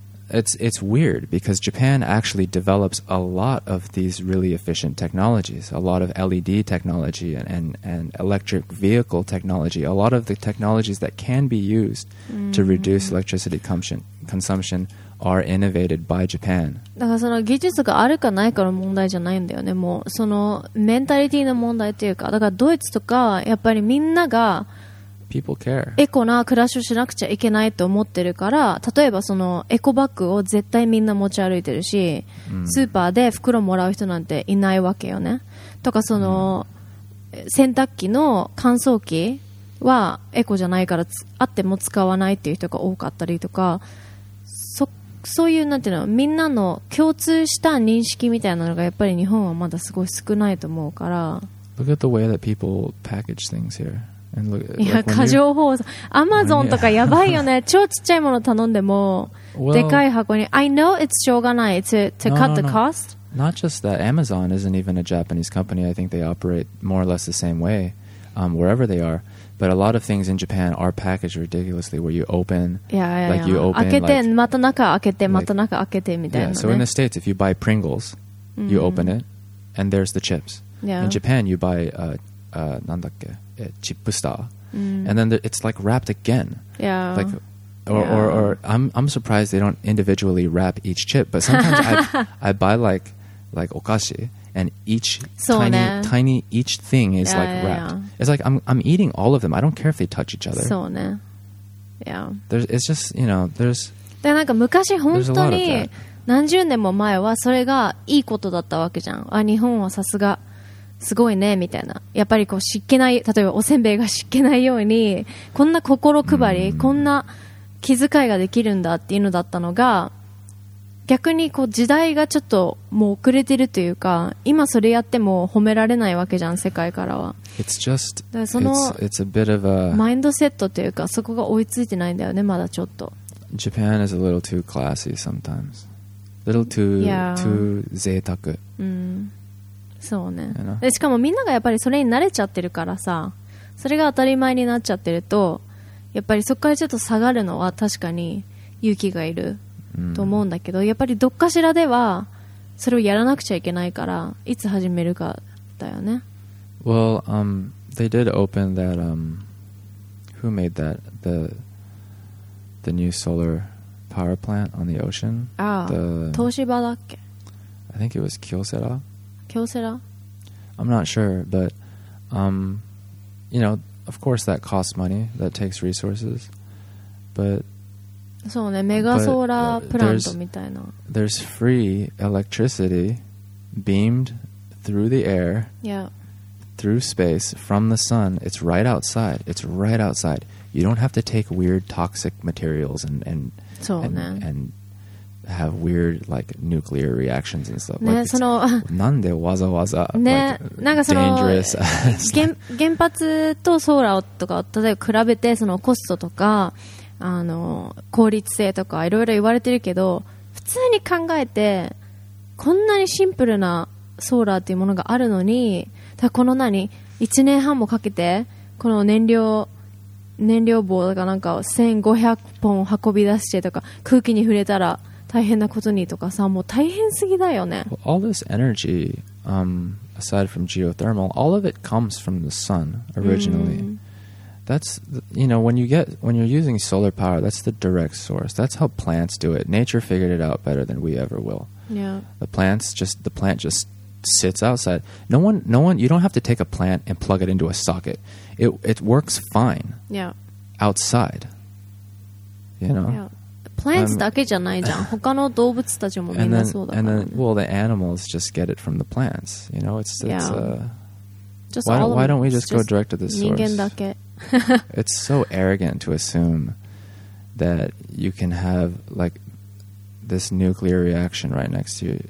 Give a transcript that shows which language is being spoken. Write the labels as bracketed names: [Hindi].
[English] It's weird because Japan actually develops a lot of these really efficient technologies, a lot of LED technology and electric vehicle technology, a lot of the technologies that can be used to reduce electricity consumption are innovated by Japan. [Japanese] だからその技術があるかないかの問題じゃないんだよね。もうそのメンタリティの問題というか、だからドイツとかやっぱりみんなが [English] People care. [Japanese] エコな暮らしをしなくちゃいけないと思ってるから、例えばそのエコバッグを絶対みんな持ち歩いてるし、スーパーで袋もらう人なんていないわけよね。とかその洗濯機の乾燥機はエコじゃないからあっても使わないっていう人が多かったりとか、そういうなんていうの、みんなの共通した認識みたいなのがやっぱり日本はまだすごい少ないと思うから。 [English] Look at the way that people package things hereAnd look, [Japanese] いや、 [English] like、 [Japanese] 過剰包装、アマゾンとかやばいよね。超ちっちゃいもの頼んでも、 [English] well, [Japanese] でかい箱に。 [English] I know it's [Japanese] しょうがない [English] to cut the cost. Not just that. Amazon isn't even a Japanese company. I think they operate more or less the same way wherever they are. But a lot of things in Japan are packaged ridiculously where you open. You open. [Japanese] 開けて、また中開けて、また中開けてみたいな、ね。 [English] Yeah, so in the States, if you buy Pringles, you open it, and there's the chips. Yeah. In Japan, you buy, [Japanese] なんだっけ、 [English] チップスター。 And then it's like wrapped again. Yeah. Like, or, yeah. Or I'm surprised they don't individually wrap each chip. But sometimes I buy like okashi, and each tiny each thing is wrapped. Yeah. It's like I'm eating all of them. I don't care if they touch each other. So ne. Yeah. There's it's just you know there's. [Japanese] でなんか昔本当に何十年も前はそれがいいことだったわけじゃん。あ、日本はさすが。すごいねみたいな。やっぱりこう湿気ない、例えばおせんべいが湿気ないようにこんな心配り、こんな気遣いができるんだっていうのだったのが、逆にこう時代がちょっともう遅れてるというか、今それやっても褒められないわけじゃん、世界からは。 [English] It's just [Japanese] だからその [English] it's a bit of a [Japanese] マインドセットというか、そこが追いついてないんだよね、まだちょっと。 [English] Japan is a little too classy sometimes. A little too 、 yeah. too [Japanese] 贅沢。うん。そうね、でしかもみんながやっぱりそれに慣れちゃってるからさ、それが当たり前になっちゃってると、やっぱりそこからちょっと下がるのは確かに勇気がいると思うんだけど、やっぱりどっかしらではそれをやらなくちゃいけないから、いつ始めるかだよね。 [English] Well, they did open that who made that the new solar power plant on the ocean. [Japanese] ああ、東芝だっけ。 [English] I think it was Kyocera. [Japanese] 京セラ? [English] I'm not sure, but you know, of course that costs money, that takes resources, but [Japanese] そうね、メガソーラープラントみたいな。 [English] There's free electricity beamed through the air, yeah, through space from the sun. It's right outside. It's right outside. You don't have to take weird toxic materials and [Japanese] そうね。 [English] and have weird like nuclear reactions and stuff. [Japanese] ね、 [English] like, [Japanese] その、なんでわざわざ、ね、 [English] like, [Japanese] なんかその、 [English] dangerous. [Japanese] 原発とソーラーとか、例えば比べてそのコストとか、あの、効率性とかいろいろ言われてるけど、普通に考えて、こんなにシンプルなソーラーっていうものがあるのに、ただこの何、1年半もかけて、この燃料棒とかなんか1500本運び出してとか、空気に触れたら、大変なことにとかさ、もう大変すぎだよね。 [English] Well, all this energy, aside from geothermal, all of it comes from the sun originally. That's, you know, when you're using solar power, that's the direct source. That's how plants do it. Nature figured it out better than we ever will. Yeah. The plant just sits outside. No one, you don't have to take a plant and plug it into a socket. It works fine. Yeah. Outside. You know? Yeah. Plants [Japanese] だけじゃないじゃん。他の動物たちもみんなそうだから。 [English] Well, the animals just get it from the plants. You know, it's yeah. Just why don't we just go direct to the source? [Japanese] 人間だけ。 [English] It's so arrogant to assume that you can have like this nuclear reaction right next to you.